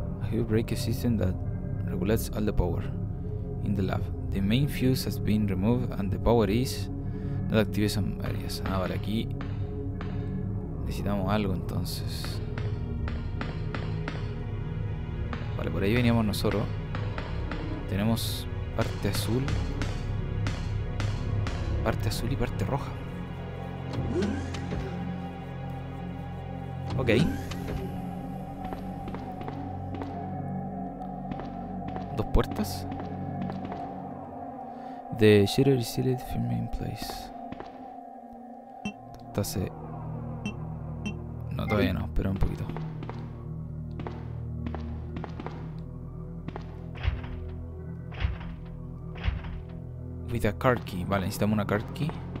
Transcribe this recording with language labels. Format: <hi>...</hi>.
<en>Heavy break system that regulates all the power in the lab. The main fuse has been removed and the power is not active in some areas.</en> <es>Ah, vale, aquí necesitamos algo entonces. Vale, por ahí veníamos nosotros. Tenemos parte azul. Parte azul y parte roja. Ok. Dos puertas.</es> <en>The shutter is sealed from in place.</en> <es>Entonces, no, todavía no, espera un poquito.</es> <en>With a card key,</en> <es>vale, necesitamos una card key.</es>